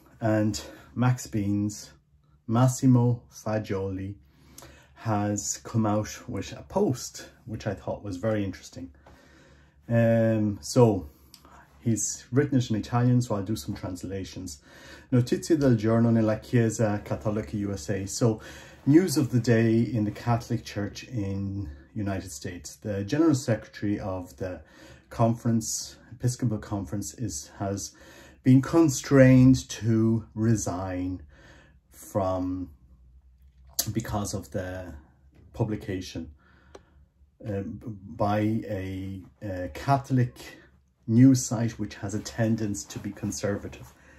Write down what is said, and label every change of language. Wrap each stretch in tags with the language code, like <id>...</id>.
<en>And Max Beans, Massimo Faggioli, has come out with a post which I thought was very interesting. So he's written it in Italian, so I'll do some translations.</en> <it>Notizie del giorno nella Chiesa Cattolica USA.</it> <en>So, news of the day in the Catholic Church in United States. The General Secretary of the conference, Episcopal Conference, has been constrained to resign from because of the publication by a Catholic news site which has a tendency to be conservative.</en>